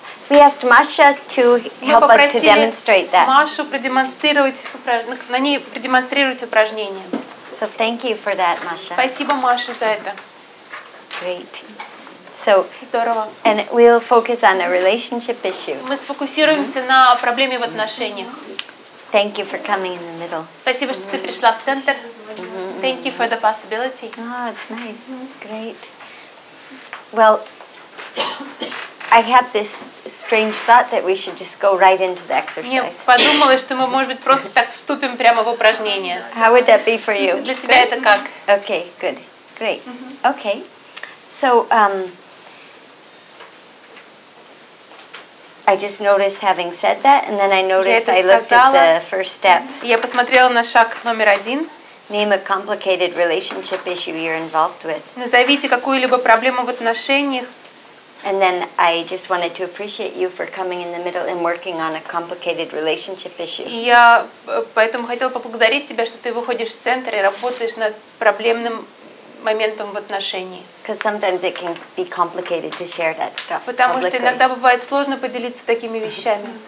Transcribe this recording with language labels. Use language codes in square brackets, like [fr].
[en] We asked Masha to help us to demonstrate that. [ru] Машу продемонстрировать, на ней продемонстрировать упражнение. [en] So thank you for that, Masha. [ru] Спасибо, Маша, за это. [en] Great. So. [ru] Здорово. [en] And we'll focus on a relationship issue. [ru] Мы сфокусируемся на проблеме в отношениях. [en] Thank you for coming in the middle. [ru] Спасибо, что ты пришла в центр. [en] Thank you for the possibility. Oh, it's nice. Great. Well. I have this strange thought that we should just go right into the exercise. [ru] Я подумала, что мы, может быть, просто так вступим прямо в упражнение. [en] How would that be for you? [ru] Для тебя это как? [en] Okay, good. Great. Mm-hmm. Okay. So, I just noticed having said that, and then I noticed I looked [ru] сказала, [en] at the first step. [ru] Я посмотрела на шаг номер один. [en] Name a complicated relationship issue you're involved with. [ru] Назовите какую-либо проблему в отношениях. [en] And then I just wanted to appreciate you for coming in the middle and working on a complicated relationship issue. [ru] Я поэтому хотела поблагодарить тебя, что ты выходишь в центр и работаешь над проблемным моментом в отношении. [en] Because sometimes it can be complicated to share that stuff. [ru] Потому что иногда бывает сложно поделиться такими вещами.